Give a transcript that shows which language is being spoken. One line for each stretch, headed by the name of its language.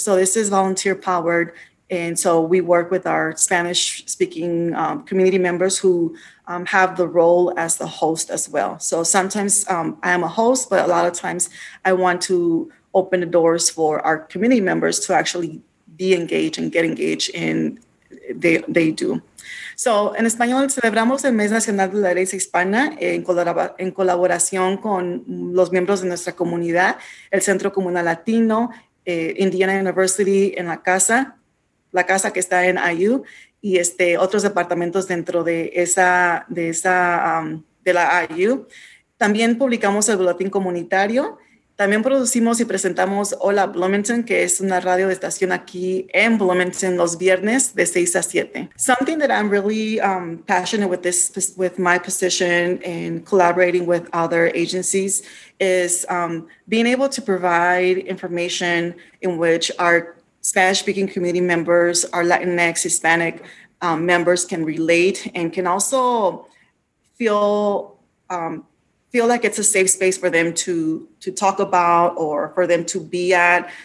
English: So this is volunteer powered. And so we work with our Spanish speaking community members who have the role as the host as well. So sometimes I am a host, but a lot of times I want to open the doors for our community members to actually be engaged and get engaged in they do.
Spanish: So en español celebramos el mes nacional de la herencia hispana en colaboración con los miembros de nuestra comunidad, el Centro Comunal Latino, Indiana University en la casa que está en IU y otros departamentos dentro de la IU. También publicamos el boletín comunitario. También producimos y presentamos Hola Bloomington, que es una radio de estación aquí en Bloomington los viernes de 6 a 7.
English: Something that I'm really passionate with this, with my position in collaborating with other agencies is being able to provide information in which our Spanish-speaking community members, our Latinx, Hispanic members can relate and can also feel like it's a safe space for them to talk about or for them to be at.